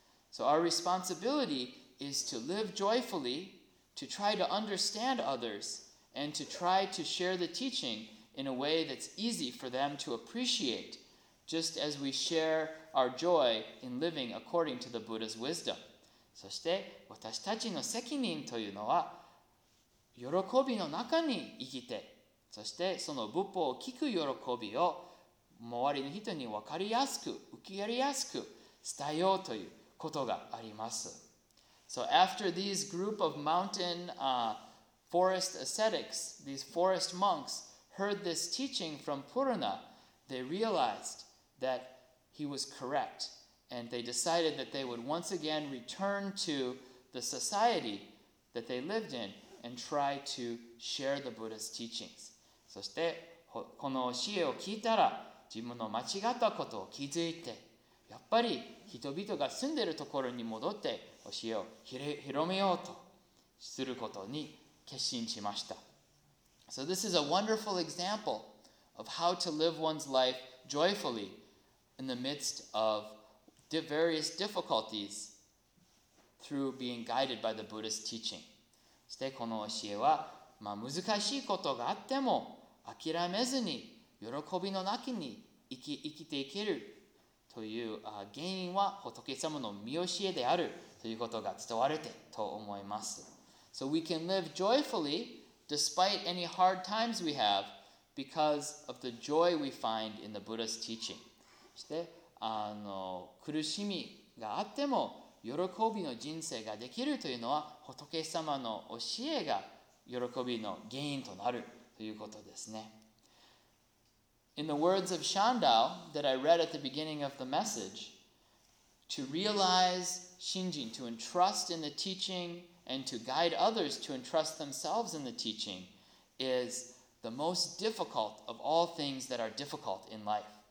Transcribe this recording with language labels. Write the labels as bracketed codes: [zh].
[en] So our responsibility is to live joyfully, to try to understand others, and to try to share the teaching in a way that's easy for them to appreciate, just as we share our joy in living according to the Buddha's wisdom. [ja] そして私たちの責任というのは喜びの中に生きて、そしてその仏法を聞く喜びを周りの人に分かりやすく、受け入れやすく伝えようということがあります。 [en] So after these group of mountain forest ascetics, these forest monks heard this teaching from Purana, they realized that he was correct, and they decided that they would once again return to the society that they lived in and try to share the Buddha's teachings. [ja] そしてこの教えを聞いたら自分の間違ったことを気づいて、やっぱり人々が住んでいるところに戻って教えを広めようとすることに決心しました。 [en] So this is a wonderful example of how to live one's life joyfully in the midst of various difficulties through being guided by the Buddhist teaching. [ja] そしてこの教えは、まあ、難しいことがあっても諦めずに喜びの中に生きていけるという原因は仏様の見教えであるということが伝われてと思います。 [en] So we can live joyfully despite any hard times we have because of the joy we find in the Buddha's teaching. [ja] そして苦しみがあっても喜びの人生ができるというのは仏様の教えが喜びの原因となるということですね。 [en] In the words of Shandao that I read at the beginning of the message, to realize Shinjin, to entrust in the teaching and to guide others to entrust themselves in the teaching is the most difficult of all things that are difficult in life.